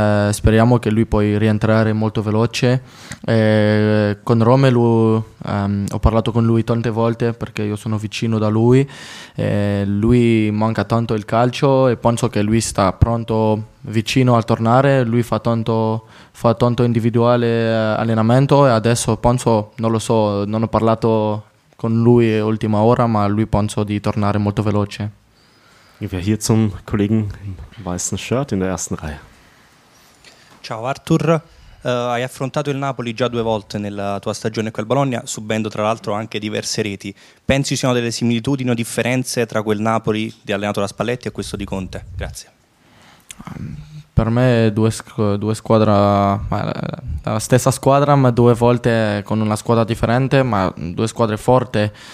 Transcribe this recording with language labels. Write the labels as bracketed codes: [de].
[it] Speriamo che lui poi rientrare molto veloce. E con Romelu ho parlato con lui tante volte perché io sono vicino da lui, e lui manca tanto il calcio e penso che lui sta pronto, vicino a tornare. Lui fa tanto individuale allenamento, e adesso penso, non lo so, non ho parlato con lui ultima ora, ma lui penso di tornare molto veloce. [de] Wir hier zum Kollegen im weißen Shirt in der ersten Reihe. [it] Ciao Arthur, hai affrontato il Napoli già due volte nella tua stagione col Bologna, subendo tra l'altro anche diverse reti. Pensi siano delle similitudini o differenze tra quel Napoli di allenato da Spalletti e questo di Conte? Grazie. Per me due squadre, la stessa squadra ma due volte con una squadra differente, ma due squadre forti.